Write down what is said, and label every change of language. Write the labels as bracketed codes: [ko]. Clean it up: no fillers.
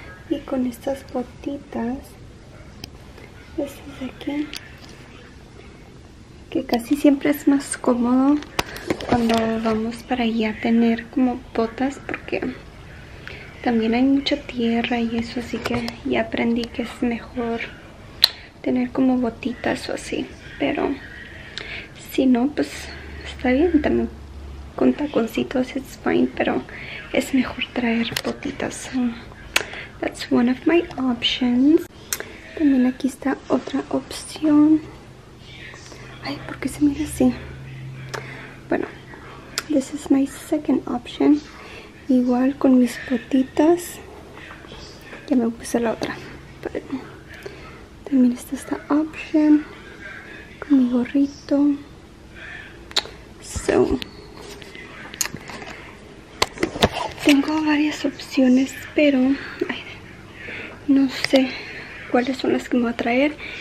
[es] y con estas botitas, estas de aquí, que casi siempre es más cómodo cuando vamos para allá tener como botas porque también hay mucha tierra y eso, así que ya aprendí que es mejor tener como botitas o así, pero si no, pues está bien, también con taconcitos [en] it's fine, [es] pero es mejor traer botitas. [en] That's one of my options. [es] También aquí está otra opción. Ay, ¿por qué se mira así? [en] Bueno, this is my second option. [es] Igual con mis patitas. Ya me puse la otra. Pero también está esta option. Con mi gorrito. So, tengo varias opciones, pero ay, no sé cuáles son las que me voy a traer.